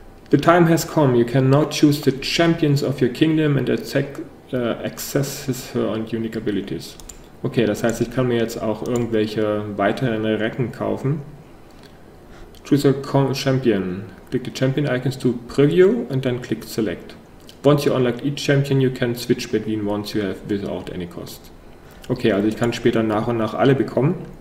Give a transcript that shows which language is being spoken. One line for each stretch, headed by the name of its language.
English: The time has come, you can now choose the champions of your kingdom and access his her and unique abilities.
German: Okay, das heißt, ich kann mir jetzt auch irgendwelche weiteren Recken kaufen.
English: Choose a Champion. Click the Champion Icons to Preview
German: und dann
English: click Select. Once you unlock each Champion, you can switch between ones you have without any cost.
German: Okay, also ich kann später nach und nach alle bekommen.